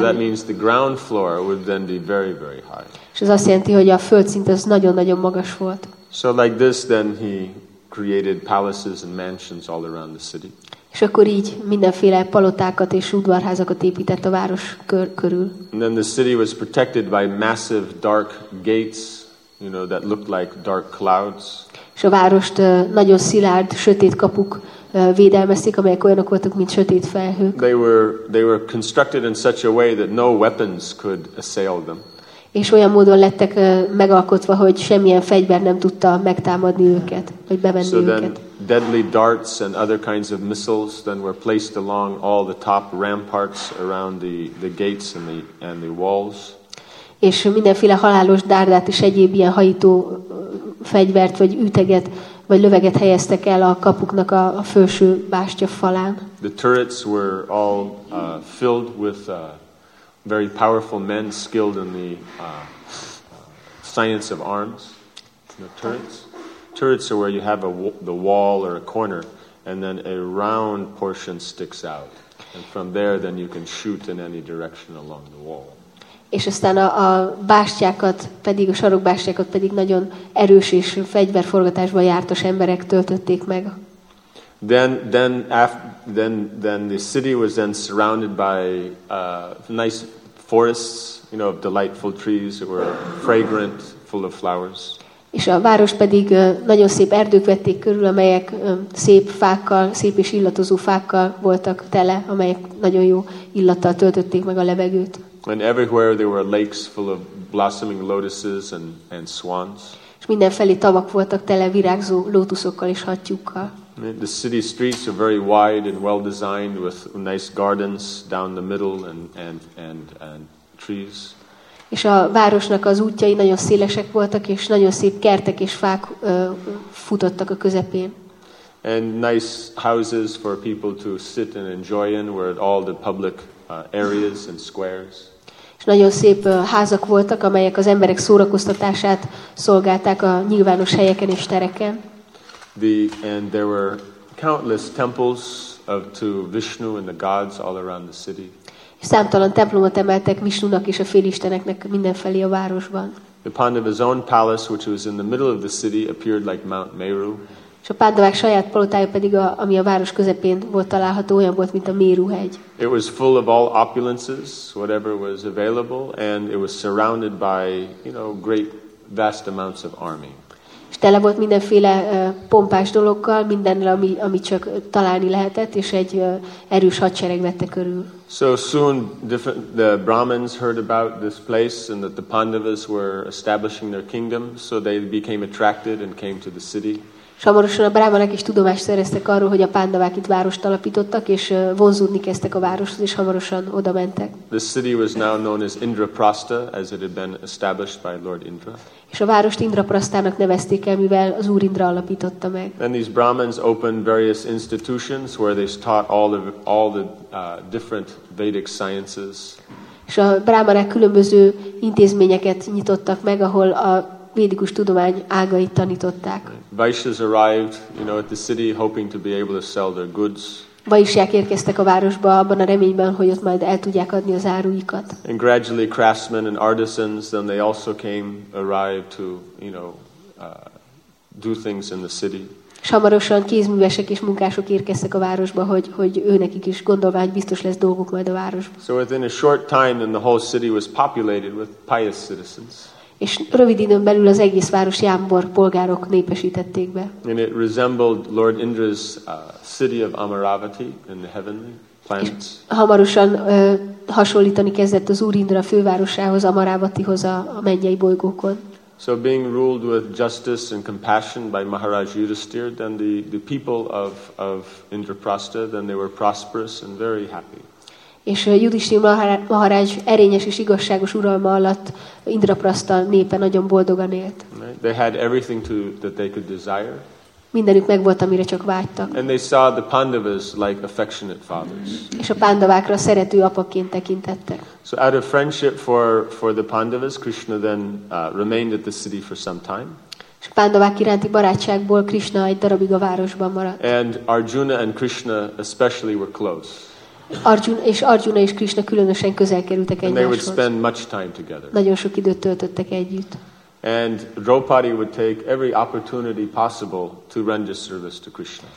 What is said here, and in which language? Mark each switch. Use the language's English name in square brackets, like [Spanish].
[English] So that means the ground floor would then be very, very high. [Hungarian] És ez azt jelenti, hogy a földszint az nagyon-nagyon magas volt. [English] So like this, then he created palaces and mansions all around the city. [Hungarian] És akkor így mindenféle palotákat és udvarházakat épített a város körül. [English] And then the city was protected by massive dark gates, you know, that looked like dark clouds. [Hungarian] És a várost nagyon szilárd, sötét kapuk védelmezték, amelyek olyanok voltak, mint sötét felhők. [English] They were constructed in such a way that no weapons could assail them. [Hungarian] És olyan módon lettek megalkotva, hogy semmilyen fegyver nem tudta megtámadni őket, vagy bevenni [English] so [Hungarian] őket. [English] So then, deadly darts and other kinds of missiles then were placed along all the top ramparts around the gates and the walls. [Hungarian] És mindenféle halálos dárdát és egyéb ilyen hajító fegyvert, vagy üteget, vagy löveget helyeztek el a kapuknak a felső bástya falán. [English] The turrets were all filled with very powerful men skilled in the science of arms. The turrets. Turrets are where you have the wall or a corner, and then a round portion sticks out. And from there, then you can shoot in any direction along the wall. [Hungarian] És aztán a bástyákat, pedig a sarokbástyákat pedig nagyon erős és fegyverforgatásban jártas emberek töltötték meg. [English] Then the city was then surrounded by nice forests, you know, of delightful trees that were fragrant, full of flowers. [Hungarian] És a város pedig nagyon szép erdők vették körül, amelyek szép fákkal, szép és illatozó fákkal voltak tele, amelyek nagyon jó illattal töltötték meg a levegőt. [English] And everywhere there were lakes full of blossoming lotuses and swans. [Hungarian] És mindenfelé tavak voltak tele virágzó lótuszokkal és hattyúkkal. [English] The city streets are very wide and well designed with nice gardens down the middle and trees. [Hungarian] És a városnak az útjai nagyon szélesek voltak és nagyon szép kertek és fák futottak a közepén. [English] And nice houses for people to sit and enjoy in were at all the public areas and squares. [Hungarian] És nagyon szép házak voltak, amelyek az emberek szórakoztatását szolgálták a nyilvános helyeken és tereken. [English] And there were countless temples to Vishnu and the gods all around the city. [Hungarian] Számtalan templomot emeltek Vishnunak és a félisteneknek mindenfelé a városban. [English] The Pandavas' own palace, which was in the middle of the city, appeared like Mount Meru. [Hungarian] És a Pandavák saját palotája pedig, ami a város közepén volt található, olyan volt, mint a Méru-hegy. [English] It was full of all opulences, whatever was available, and it was surrounded by, you know, great vast amounts of army. [Hungarian] És tele volt mindenféle pompás dologgal, mindennel, ami csak találni lehetett, és egy erős hadsereg vette körül. [English] So soon the Brahmins heard about this place and that the Pandavas were establishing their kingdom, so they became attracted and came to the city. [Hungarian] Hamarosan a brámanok is tudomást szereztek arról, hogy a pándavák itt várost alapítottak, és vonzódni kezdtek a városhoz, és hamarosan oda mentek. [English] The city was now known as Indraprastha, as it had been established by Lord Indra. [Hungarian] És a várost Indraprasthának nevezték el, mivel az Úr Indra alapította meg. [English] Then these Brahmins opened various institutions where they taught all the different Vedic sciences. [Hungarian] És a brámanok különböző intézményeket nyitottak meg, ahol a védikus tudomány ágait tanították. [English] Vaishyas arrived, you know, at the city hoping to be able to sell their goods. [Hungarian] Vaishyák érkeztek a városba abban a reményben, hogy ott majd el tudják adni az áruikat. [English] And gradually craftsmen and artisans, then they also came, arrived to, you know, do things in the city. [Hungarian] És hamarosan kézművesek és munkások érkeztek a városba, hogy őnekik is gondolvány biztos lesz dolguk majd a városban. [English] So within a short time, then the whole city was populated with pious citizens. [Hungarian] És rövid időn belül az egész város jámbor polgárok népesítették be. [English] And it resembled Lord Indra's city of Amaravati in the heavenly planets. [Hungarian] Hamarosan hasonlítani kezdett az Úr Indra fővárosához, Amaravatihoz a mennyei bolygókon. [English] So being ruled with justice and compassion by Maharaj Yudhisthira, then the people of Indraprastha, then they were prosperous and very happy. [Hungarian] És Yudhisthira Maharaj erényes és igazságos uralma alatt Indraprastha népe nagyon boldogan élt. [English] They had everything that they could desire. [Hungarian] Mindenük megvolt, amire csak vágytak. [English] And they saw the Pandavas like affectionate fathers. [Hungarian] És a pándavákra szerető apaként tekintettek. [English] So out of friendship for the Pandavas, Krishna then remained at the city for some time. [Hungarian] És a pándavák iránti barátságból Krishna egy darabig a városban maradt. [English] And Arjuna and Krishna especially were close. [Hungarian] Arjuna és Krishna különösen közel kerültek egymáshoz. Nagyon sok időt töltöttek együtt. [English] And Draupadi would take every opportunity possible to render service to Krishna.